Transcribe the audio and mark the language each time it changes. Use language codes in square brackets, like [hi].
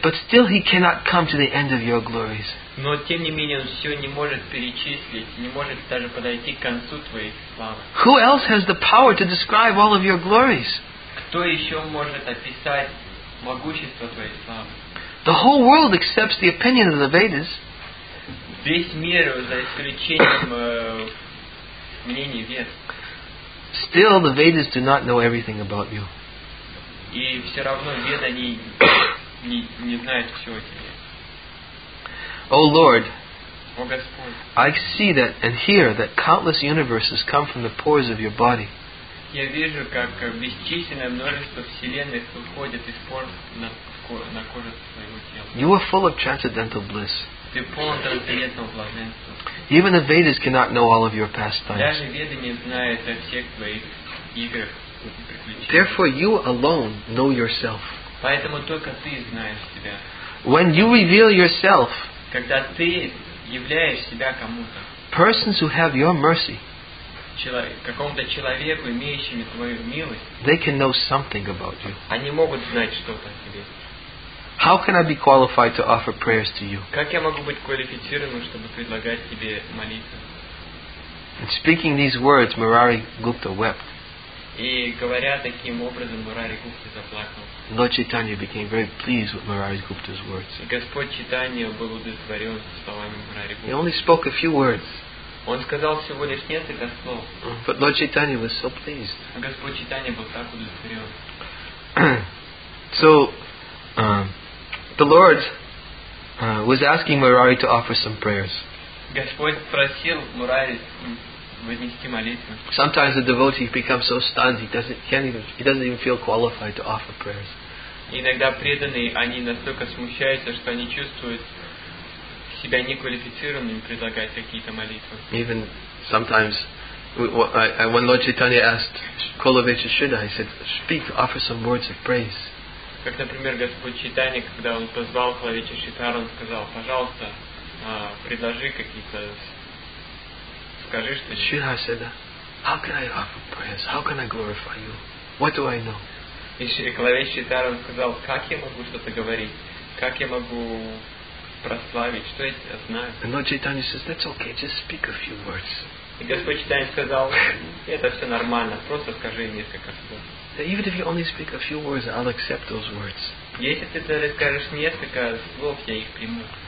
[en] But still he cannot come to the end of your glories. [ru] Но тем не менее он все не может перечислить, не может даже подойти к концу твоих славы. [en] Who else has the power to describe all of your glories? [ru] Кто еще может описать могущество твоей славы? [en] The whole world accepts the opinion of the Vedas. [ru] Весь мир, за исключением мнений Вед. [en] Still, the Vedas do not know everything about you. [ru] И все равно Веды не знают все о тебе. [en] O Lord, [ru] О Господь, [en] I see that and hear that countless universes come from the pores of your body. [ru] Я вижу, как бесчисленное множество вселенных выходит из пор на кожу твоего тела. [en] You are full of transcendental bliss. [ru] Ты полон трансцендентного блаженства. [en] Even the Vedas cannot know all of your pastimes. [ru] Даже Веды не знают о всех твоих играх. [en] Therefore, you alone know yourself. [ru] Поэтому только ты знаешь себя. [en] When you reveal yourself, [ru] когда ты являешь себя кому-то, [en] persons who have your mercy, [ru] какому-то человеку, имеющему твою милость, [en] they can know something about you. [ru] Они могут знать что-то о тебе. [en] How can I be qualified to offer prayers to you? [ru] Как я могу быть квалифицированным, чтобы предлагать тебе молитву? [en] And speaking these words, Murari Gupta wept. [ru] И говоря таким образом, Мурари Гупта заплакал. [en] Lord Chaitanya became very pleased with Murari Gupta's words. [ru] Господь Читания был удовлетворен словами Мурари Гупты. [en] He only spoke a few words. [ru] Он сказал всего лишь несколько слов. [en] But Lord Chaitanya was so pleased. [ru] Господь Читания был так удовлетворен. [en] So, the Lord was asking Murari to offer some prayers. [ru] Господь просил Мурари вознести молитву. [en] Sometimes the devotee becomes so stunned he doesn't even feel qualified to offer prayers. [ru] Иногда преданные они настолько смущаются, что они чувствуют себя неквалифицированными предлагать какие-то молитвы. [en] Even sometimes when Lord Chaitanya asked Kulavecha Shuddha, he said, "Speak, offer some words of praise." [ru] Как, например, Господь Чайтанья, когда он позвал Кулавеча Шитару, он сказал, пожалуйста, предложи какие-то. Скажи, что [en] Шитара said, "How can I offer prayers? How can I glorify you? What do I know?" [ru] И Кулавеча Шитару сказал, как я могу что-то говорить? Как я могу прославить? Что я знаю? [en] And Lord Chaitanya says, "That's okay, just speak a few words." [ru] И Господь Чайтанья сказал, это все нормально, просто скажи несколько слов. [en] Even if you only speak a few words, I'll accept those words. [ru] Если ты скажешь несколько слов, я их приму.